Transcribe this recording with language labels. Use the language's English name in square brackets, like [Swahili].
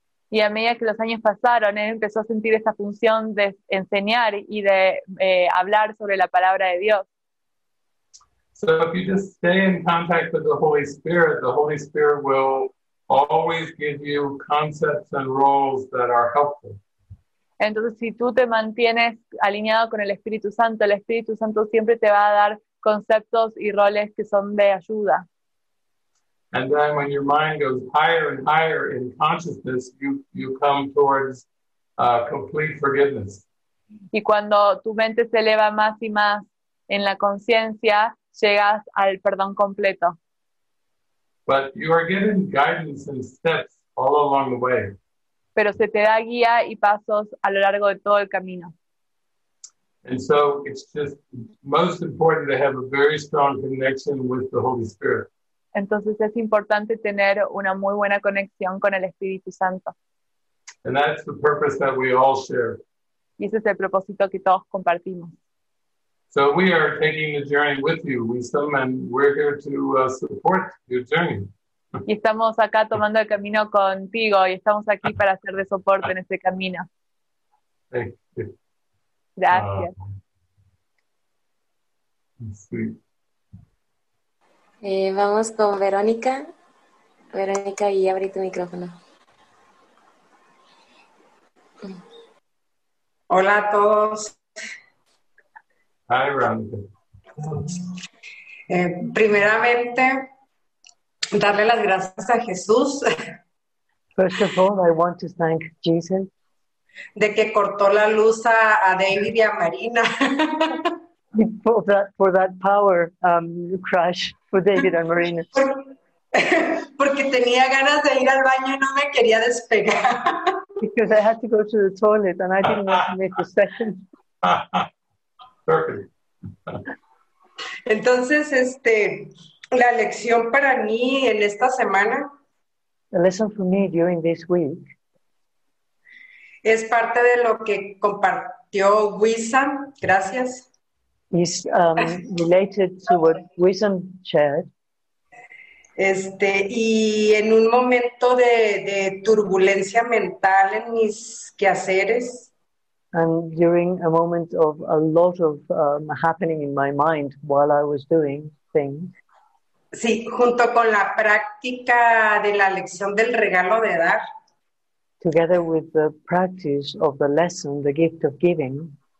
[Spanish] Y a medida que los años pasaron, él empezó a sentir esa función de enseñar y de hablar sobre la palabra de Dios. [English] So if you just stay in contact with the Holy Spirit will always give you concepts and roles that are helpful. [Spanish] Entonces, si tú te mantienes alineado con el Espíritu Santo siempre te va a dar conceptos y roles que son de ayuda. [English] And then when your mind goes higher and higher in consciousness, you come towards complete forgiveness. [Spanish] Y cuando tu mente se eleva más y más en la conciencia, llegas al perdón completo. [English] But you are given guidance and steps all along the way. [Spanish] Pero se te da guía y pasos a lo largo de todo el camino. [English] And so it's just most important to have a very strong connection with the Holy Spirit. [Spanish] Entonces es importante tener una muy buena conexión con el Espíritu Santo. [English] And that's the purpose that we all share. [Spanish] Y ese es el propósito que todos compartimos. [English] So we are taking the journey with you. We're here to support your journey. [Spanish] Y estamos acá tomando el camino contigo y estamos aquí para hacer de soporte en este camino. [English] Thank you. [Spanish] Gracias. Vamos con Verónica. Verónica, y abre tu micrófono. Hola a todos. [English] Hi, Veronica. [Spanish] Primeramente, darle las gracias a Jesús. [English] First of all, I want to thank Jesus. [Spanish] De que cortó la luz a David y a Marina. [English] For that power crash for David and Marina. [Spanish] Porque tenía ganas de ir al baño y no me quería despegar. [English] Because I had to go to the toilet and I didn't want to miss a second. [Spanish] Entonces, la lección para mí en esta semana. [English] The lesson for me during this week. [Spanish] es parte de lo que compartió Wissam. Gracias. [English] Is related to what Wissam shared. [Spanish] Este, y en un momento de turbulencia mental en mis quehaceres. [English] And during a moment of a lot of happening in my mind while I was doing things. [Spanish] Sí, junto con la práctica de la lección del regalo de dar. [English] Together with the practice of the lesson, the gift of giving.